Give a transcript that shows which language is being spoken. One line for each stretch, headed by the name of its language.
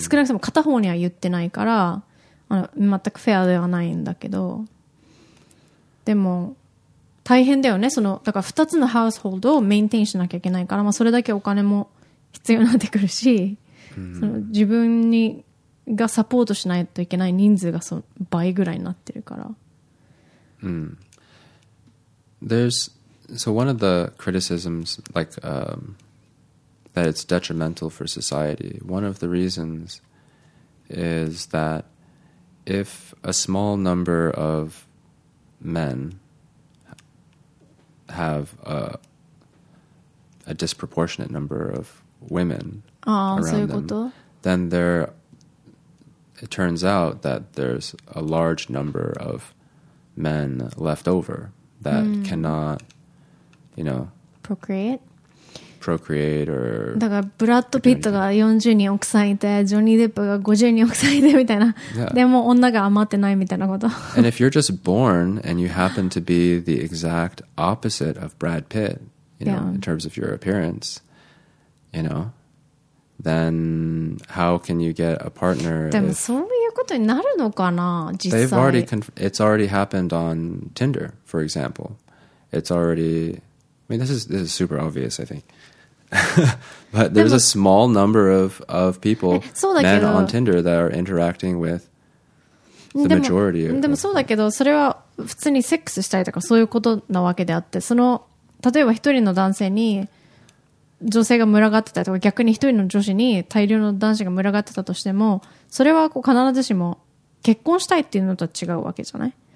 Japanese: 少なくとも片方には言ってないから、あの全くフェアではないんだけど、でも大変だよね、そのだから2つのハウスホールドをメインテインしなきゃいけないから、まあ、それだけお金も必要になってくるし、 mm-hmm. その自分にがサポートしないといけない人数がその倍ぐらいになってるから、 mm-hmm.
English: There'sSo one of the criticisms, like, that it's detrimental for society, one of the reasons is that if a small number of men have a disproportionate number of women around them, then there, it turns out that there's a large number of men left over that cannot, you know, procreate or
Japanese: だからブラッド・ピットが40人奥さんいてジョニー・デップが50人奥さんいてみたいな、 yeah. でも女が余ってないみたいなこと
English: And if you're just born and you happen to be the exact opposite of Brad Pitt, you know,、yeah. in terms of your appearance, you know, then how can you get a partner?
Japanese: でもそういうことになるのかな実際
English: They've already it's already happened on Tinder, for example. It's alredyI mean, this is super obvious, I think. But there's a small number of people, men on Tinder, that are interacting with the majority of people.
Japanese: でもそうだけど、それは普通にセックスしたいとかそういうことなわけであって、その、例えば一人の男性に女性が群がってたとか、逆に一人の女子に大量の男子が群がってたとしても、それはこう必ずしも結婚したいっていうのとは違うわけじゃない